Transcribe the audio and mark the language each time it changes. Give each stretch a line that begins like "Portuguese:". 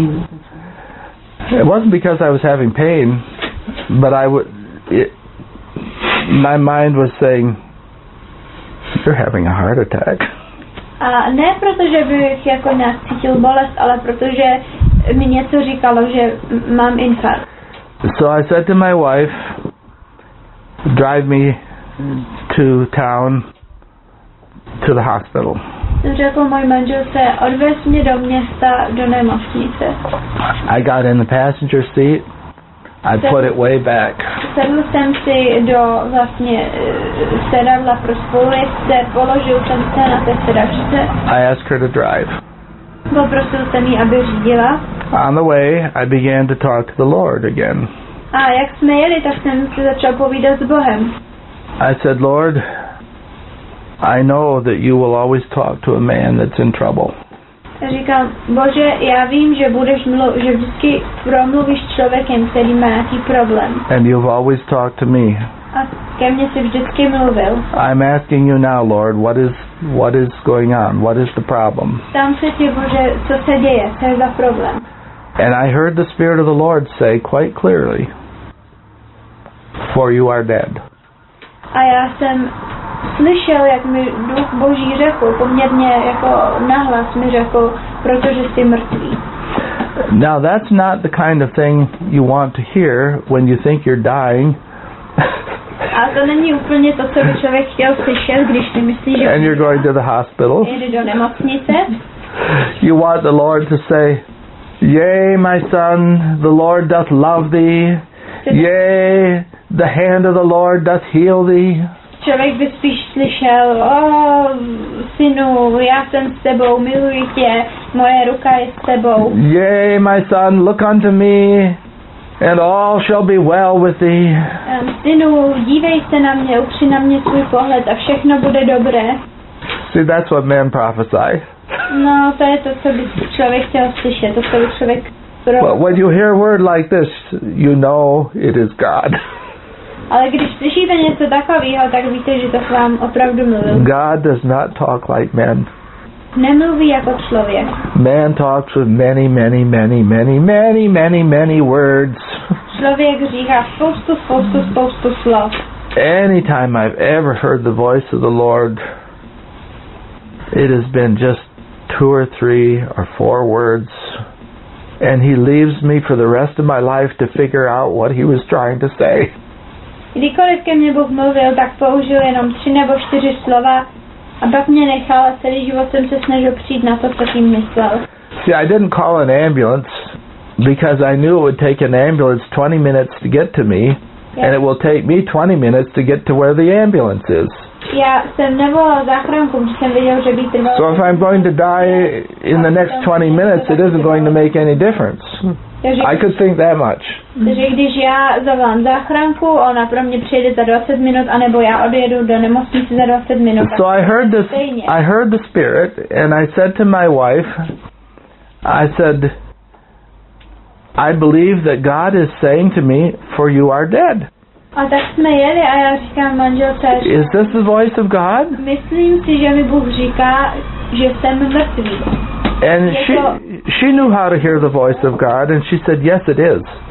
English: It wasn't because I was having pain, but my mind was saying, you're having a heart attack.
Czech: A ne proto, že bych jako nějak cítil bolest, ale protože mi něco říkalo, že mám infarkt.
English: So I said to my wife, drive me to town, to the hospital.
Czech: Řekl můj manželce, odvez mě do města, do nemocnice.
English: I got in the passenger seat. I put it way back.
Czech: Sedl jsem si do vlastně sedadla pro spolujezdce, položil jsem se na té sedačce.
English: I asked her to drive.
Czech: Poprosil jsem ji, aby řídila.
English: On the way, I began to talk to the Lord again.
Czech: A jak jsme jeli, tak jsem se začal povídat s Bohem.
English: I said, Lord, I know that you will always talk to a man that's in trouble.
Czech: Říkám, Bože, já vím, že budeš že vždycky promluvíš člověkem, který má nějaký problém.
English: And you've always talked to me.
Czech: A ke mně jsi vždycky mluvil.
English: I'm asking you now, Lord, what is going on? What is the problem?
Czech: Ptám se tě, Bože, co se děje? Co je za problém?
English: And I heard the Spirit of the Lord say quite clearly, for you are dead.
Czech: A já jsem slyšel, jak mi Duch Boží řekl, poměrně jako nahlas mi řekl, protože jsi mrtvý.
English: Now that's not the kind of thing you want to hear when you think you're dying.
Czech: A to není úplně to, co by člověk chtěl slyšet, když si myslí, že...
English: And you're going to the hospital.
Czech: Jde do nemocnice.
English: You want the Lord to say, yay, my son, the Lord doth love thee. Yay, the hand of the Lord doth heal thee.
Czech: Člověk by spíš slyšel, synu, já jsem s tebou, miluji tě, moje ruka je s tebou.
English: Yay, my son, look unto me, and all shall be well with thee.
Czech: Synu, dívej se na mě, upři na mě svůj pohled a všechno bude dobré.
English: See, that's what men prophesy.
Czech: No, to je to, co by člověk chtěl slyšet, to, co by člověk...
English: But when you hear a word like this, you know it is God.
Czech: Ale když slyšíte něco takového, tak víte, že to s vám opravdu mluvil.
English: God does not talk like men.
Czech: Nemluví jako člověk.
English: Man talks with many, many, many, many, many, many, many words.
Czech: Člověk říká spoustu slov.
English: Anytime I've ever heard the voice of the Lord, it has been just two or three or four words. And he leaves me for the rest of my life to figure out what he was trying to say.
Czech: Kdykoliv ke mně Bůh mluvil, tak použil jenom tři nebo čtyři slova a pak mě nechal a celý život jsem se snažil přijít na to, co tím myslel.
English: See, I didn't call an ambulance because I knew it would take an ambulance 20 minutes to get to me, yeah. And it will take me 20 minutes to get to where the ambulance is.
Czech: Já jsem nevolal záchranku, protože jsem viděl, že by trvalo.
English: So if I'm going to die in the next 20 minutes, it isn't going to make any difference. I could think that much.
Czech: Takže když já zavolám záchranku, ona pro mě přijede za 20 minut, anebo já odjedu do nemocnice za 20 minut.
English: So I heard the Spirit, and I said to my wife, I said, I believe that God is saying to me, for you are dead.
Czech: A tak jsme jeli a já říkám manželce,
English: is this the voice of God?
Czech: Myslím si, že mi Bůh říká, že jsem mrtvý.
English: And she knew how to hear the voice of God, and she said, yes, it is.